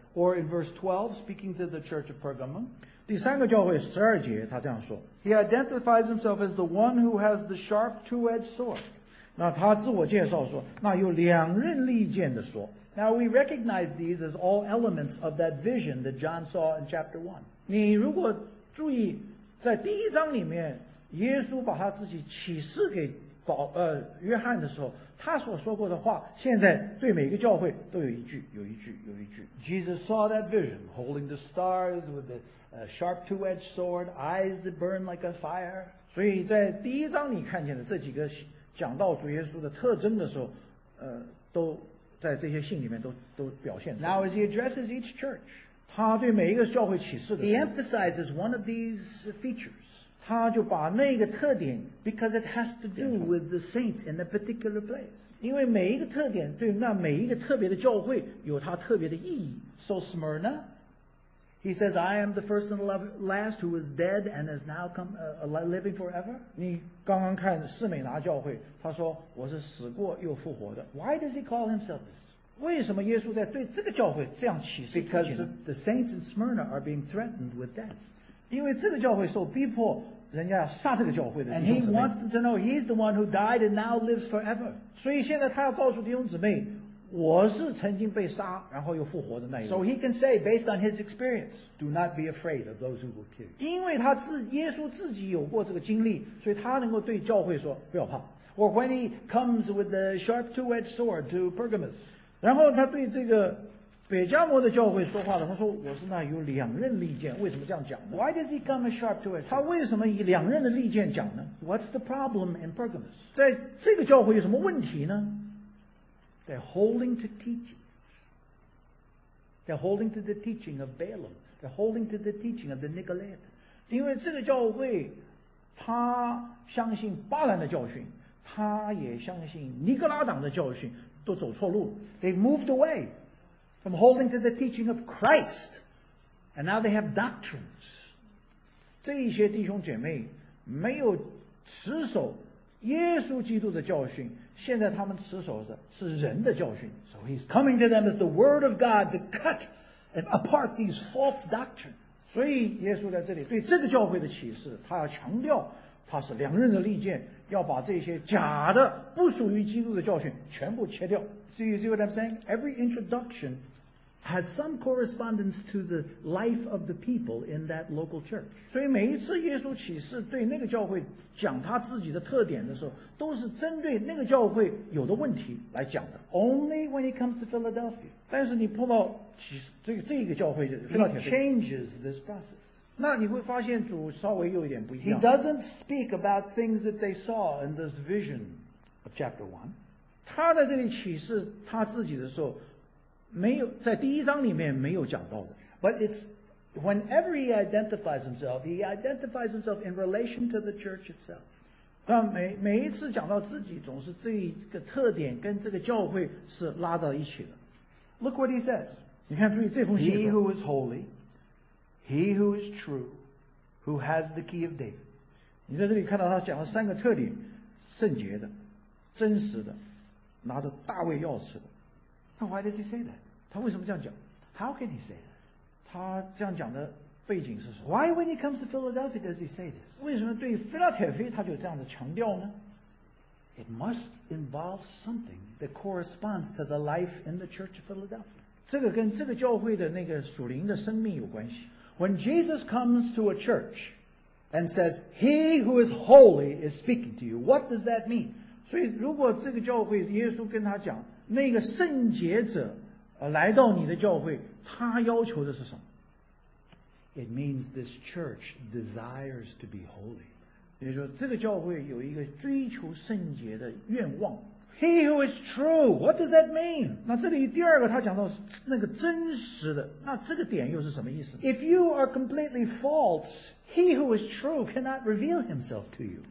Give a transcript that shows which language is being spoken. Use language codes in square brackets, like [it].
[en] Or in verse 12, speaking to the church of Pergamum. [zh] 第三个教会十二节，他这样说。 [en] He identifies himself as the one who has the sharp two-edged sword. [zh] 那他自我介绍说，那有两刃利剑的说。 [en] Now we recognize these as all elements of that vision that John saw in chapter 1. [zh] 你如果注意在第一章里面耶稣把他自己启示给约翰的时候，他所说过的话现在对每个教会都有一句有一句有一句。 [en] Jesus saw that vision, holding the stars with the sharp two-edged sword, eyes that burn like a fire. [zh] 所以在第一章你看见的这几个讲到主耶稣的特征的时候都在这些信里面都表现出来。 [en] Now as he addresses each church, [zh] 他对每一个教会启示的。 [en] He emphasizes one of these features. [zh] 他就把那个特点 [en] ，because it has to do with the saints in a particular place. [zh] 因为每一个特点对那每一个特别的教会有它特别的意义。 [en] So Smyrna, he says, I am the first and the last who was dead and has now come living forever. [zh] 你刚刚看斯美拿教会，他说我是死过又复活的。 [en] Why does he call himself this? [zh] 为什么耶稣在对这个教会这样启示自己呢？ [en] Because the saints in Smyrna are being threatened with death. [zh] 因为这个教会受逼迫，人家要杀这个教会的弟兄姊妹。 [en] And he wants them to know he's the one who died and now lives forever. [zh] 所以现在他要告诉弟兄姊妹，我是曾经被杀，然后又复活的那一位。 [en] So he can say based on his experience, do not be afraid of those who will kill you. [zh] 因为他自耶稣自己有过这个经历，所以他能够对教会说不要怕。 [en] Or when he comes with the sharp two-edged sword to Pergamos. [zh] 然后他对这个北加摩的教会说话的，他说我是那有两刃利剑，为什么这样讲呢？ [en] Why does he come sharp to it? [zh] 他为什么以两刃的利剑讲呢？ [en] What's the problem in Pergamos? [zh] 在这个教会有什么问题呢？ [en] They're holding to teachings. They're holding to the teaching of Balaam. They're holding to the teaching of the Nicolaitans. [zh] 因为这个教会他相信巴兰的教训，他也相信尼格拉党的教训，都走错路。 [en] They've moved away from holding to the teaching of Christ, and now they have doctrines. [zh] 这一些弟兄姐妹没有持守耶稣基督的教训，现在他们持守的是人的教训。 [en] So he's coming to them as the word of God to cut and apart these false doctrines. [zh] 所以耶稣在这里对这个教会的启示，他要强调他是两刃的利剑，要把这些假的不属于基督的教训全部切掉。 [en] So you see what I'm saying? Every introduction has some correspondence to the life of the people in that local church. [zh] 所以每一次耶稣启示对那个教会讲他自己的特点的时候，都是针对那个教会有的问题来讲的。 [en] Only when he comes to Philadelphia. [zh] 但是你碰到这个教会， [en] he changes this process. [zh] 那你会发现主稍微有一点不一样。 [en] He doesn't speak about things that they saw in this vision of chapter 1. [zh] 他在这里启示他自己的时候，没有在第一章里面没有讲到的。 [en] But it's whenever he identifies himself, he identifies himself in relation to the church itself. [zh] 但每一次讲到自己，总是这一个特点跟这个教会是拉到一起的。 [en] Look what he says. [zh] 你看注意这封信。 [en] He who is holy. He who is true, who has the key of David. [zh] 你在这里看到他讲了三个特点，圣洁的，真实的，拿着大卫钥匙的。 [en] Now why does he say that? [zh] 他为什么这样讲？ [en] How can he say that? [zh] 他这样讲的背景是什么？ [en] Why when he comes to Philadelphia does he say this? [zh] 为什么对腓立比教他就这样的强调呢？ [en] It must involve something that corresponds to the life in the church of Philadelphia. [zh] 这个跟这个教会的那个属灵的生命有关系。 [en] When Jesus comes to a church and says, He who is holy is speaking to you, what does that mean? [zh] 所以如果这个教会耶稣跟他讲，那个圣洁者来到你的教会，他要求的是什么？ [en] It means this church desires to be holy. [zh] 也就是说这个教会有一个追求圣洁的愿望。 [en] He who is true, what does that mean? [zh] 那这里第二个他讲到那个真实的，那这个点又是什么意思？ [en] If you are completely false, he who is true cannot reveal himself to you.